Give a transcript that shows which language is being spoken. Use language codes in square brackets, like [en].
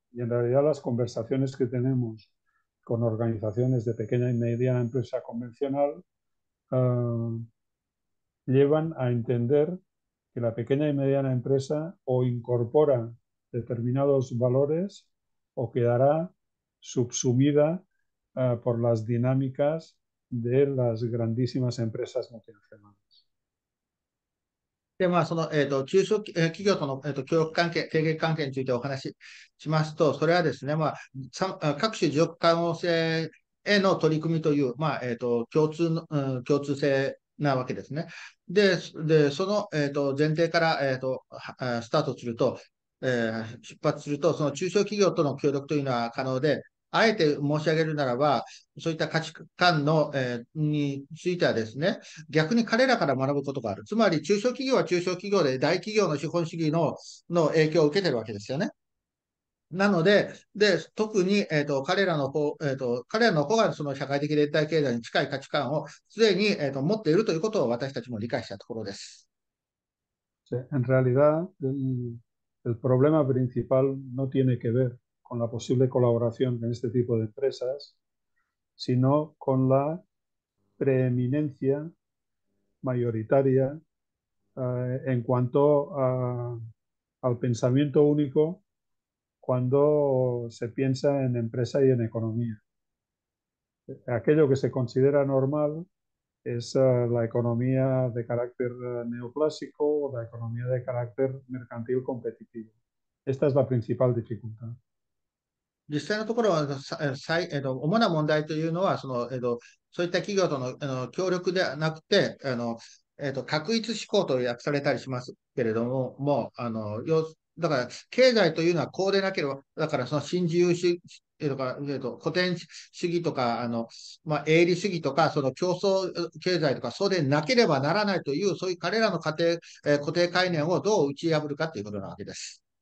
[es] Y en realidad las conversaciones que tenemos con organizaciones de pequeña y mediana empresa convencional llevan a entender que la pequeña y mediana empresa o incorpora determinados valores o quedará subsumida por las dinámicas de las grandísimas empresas multinacionales. [ja] で、まあ、その、中小企業との、協力関係、提携関係についてお話ししますと、それはですね、まあ、各種持続可能性への取り組みという、まあ、共通性なわけですね。で、その、前提から、スタートすると、出発すると、その中小企業との協力というのは可能で、あえて申し上げるならば、そういった価値観の、についてはですね、逆に彼らから学ぶことがある。つまり、中小企業は中小企業で、大企業の資本主義の影響を受けてるわけですよね。なので、で、特に、彼らの方、彼らの方がその社会的連帯経済に近い価値観を常に、持っているということを私たちも理解したところです。 [es] En realidad, el problema principal no tiene que ver con la posible colaboración con este tipo de empresas, sino con la preeminencia mayoritaria en cuanto al pensamiento único cuando se piensa en empresa y en economía. Aquello que se considera normal es la economía de carácter neoclásico o la economía de carácter mercantil competitivo. Esta es la principal dificultad. [ja] 実際のところは主な問題というのはそういった企業との協力ではなくて画一思考と訳されたりしますけれど も, もうだから経済というのはこうでなければだからその新自由主義とか古典主義とか営利主義とかその競争経済とかそうでなければならないというそういう彼らの固定概念をどう打ち破るかということなわけです。